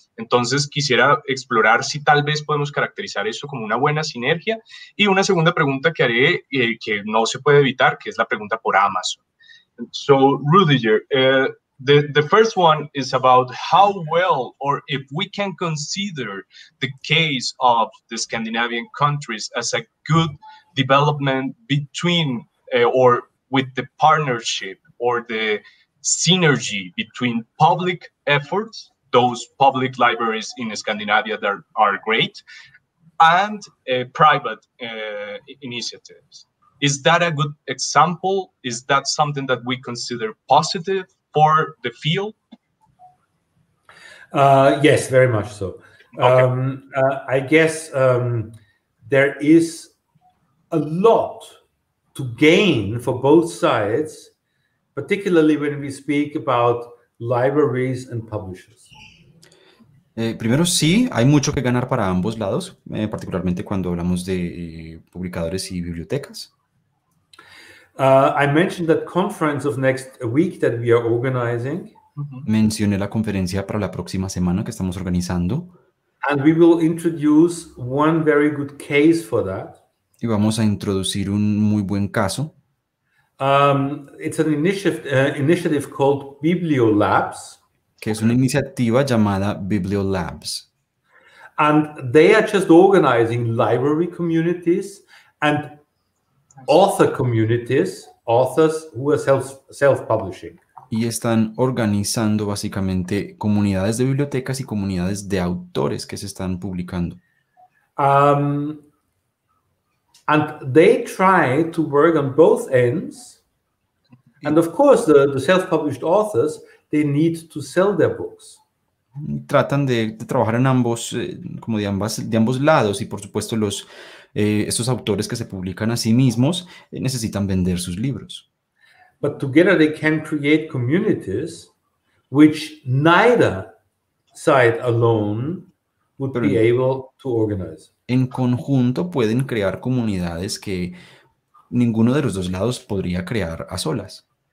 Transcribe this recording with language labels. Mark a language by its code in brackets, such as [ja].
[es] Entonces, quisiera explorar si tal vez podemos caracterizar eso como una buena sinergia. Y una segunda pregunta que haré, que no se puede evitar, que es la pregunta por Amazon. [en] So, Rüdiger, the first one is about how well or if we can consider the case of the Scandinavian countries as a good development between or with the partnership or the synergy between public efforts, those public libraries in Scandinavia that are great, and private initiatives. Is that a good example? Is that something that we consider positive for the field? Yes, very much so. Okay. I guess there is a lot to gain for both sides, particularly when we speak about libraries and publishers. [es] Primero, sí, hay mucho que ganar para ambos lados, particularmente cuando hablamos de publicadores y bibliotecas. [en] I mentioned that conference of next week that we are organizing. [es] Mencioné la conferencia para la próxima semana que estamos organizando. [en] And we will introduce one very good case for that. [es] Y vamos a introducir un muy buen caso. [en] It's an initiative called BiblioLabs. [es] Que es una iniciativa llamada BiblioLabs. [en] And they are just organizing library communities and author communities, authors who are self-publishing. [es] Y están organizando básicamente comunidades de bibliotecas y comunidades de autores que se están publicando. [en] And they try to work on both ends. And of course, the self-published authors, they need to sell their books. [es] Tratan de trabajar en ambos, como de ambos lados. Y por supuesto, los estos autores que se publican a sí mismos necesitan vender sus libros. [en] But together they can create communities which neither side alone would be able to organize. [es] En conjunto pueden crear comunidades que ninguno de los dos lados podría crear a solas.